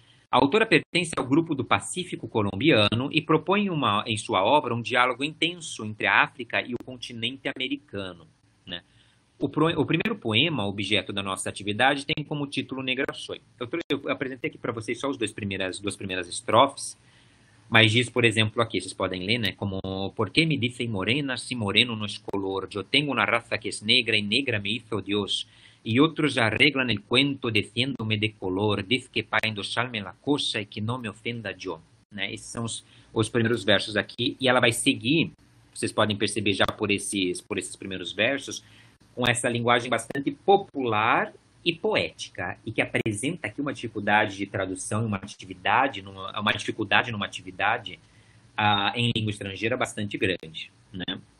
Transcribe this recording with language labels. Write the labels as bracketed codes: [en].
[pt] A autora pertence ao grupo do Pacífico colombiano e propõe em sua obra um diálogo intenso entre a África e o continente americano, né? O primeiro poema, objeto da nossa atividade, tem como título Negra Soy. Eu apresentei aqui para vocês só as duas primeiras estrofes, mas diz, por exemplo, aqui, vocês podem ler, né? [es] Como, por que me dicen morena si moreno no es color? Yo tengo una raza que es negra y negra me hizo Dios. Y otros arreglan el cuento diciéndome de color. Diz que para endosarme la cosa y que no me ofenda yo. [pt] Né? Esses são os primeiros versos aqui. E ela vai seguir, vocês podem perceber já por esses primeiros versos, com essa linguagem bastante popular e poética, e que apresenta aqui uma dificuldade de tradução, uma dificuldade numa atividade em língua estrangeira bastante grande, né?